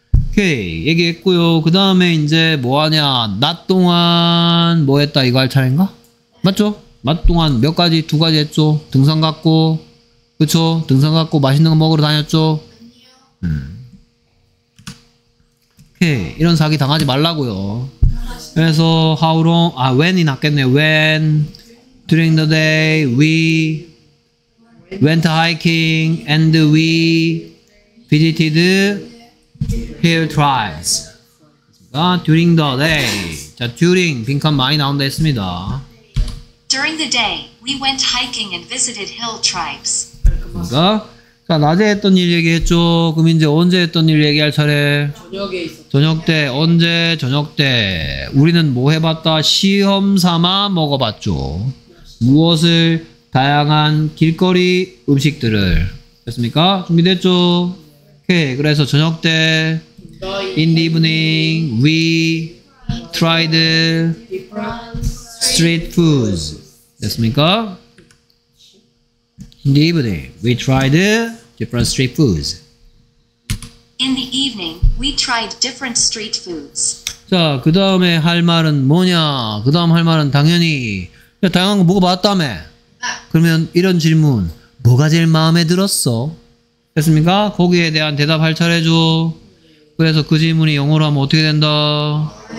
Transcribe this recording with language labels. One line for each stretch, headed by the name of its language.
Korean: 오케이, 얘기했고요. 그 다음에 이제 뭐하냐, 낮 동안 뭐 했다 이거 할 차례인가? 맞죠? 맛 동안 몇 가지 두 가지 했죠. 등산 갔고, 그쵸? 등산 갔고 맛있는 거 먹으러 다녔죠. 오케이, 이런 사기 당하지 말라고요. 그래서
English: how long?
Korean: 아, when이 낫겠네요.
English: When during the day we went hiking and we visited hill tribes. During the day.
Korean: 자, during 빈칸 많이 나온다 했습니다.
English: During the day, we went hiking and visited hill tribes.
Korean: 그러니까, 자, 낮에 했던 일 얘기했죠. 그럼 이제 언제 했던 일 얘기할 차례. 저녁에 있었. 저녁 때. 언제? 저녁 때. 우리는 뭐 해봤다? 시험 삼아 먹어봤죠. 무엇을? 다양한 길거리 음식들을. 됐습니까? 준비됐죠? 오케이. 그래서 저녁 때.
English: In the evening, we tried street foods.
Korean: 됐습니까?
English: In the evening, we tried different street foods. In the evening, we tried different street foods.
Korean: 자, 그 다음에 할 말은 뭐냐? 그 다음 할 말은 당연히 야, 다양한 거 먹어봤다며. 그러면 이런 질문, 뭐가 제일 마음에 들었어? 됐습니까? 거기에 대한 대답 할 차례죠. 그래서 그 질문이 영어로 하면 어떻게 된다?